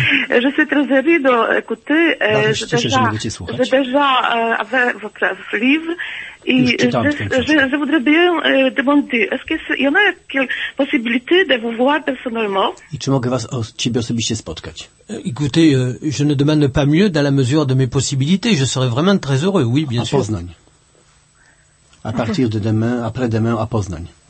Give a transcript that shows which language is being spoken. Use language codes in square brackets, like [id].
[fr] Je suis très heureux de écouter. Je déjà avec votre livre. Je voudrais bien demander, est-ce qu'il y en a quelques possibilités de vous voir personnellement? [pl] I czy mogę was o ciebie osobiście spotkać? [fr] Écoutez, je ne demande pas mieux dans la mesure de mes possibilités. Je serais vraiment très heureux, oui, bien sûr. À Poznań. À partir de demain, après-demain, à Poznań.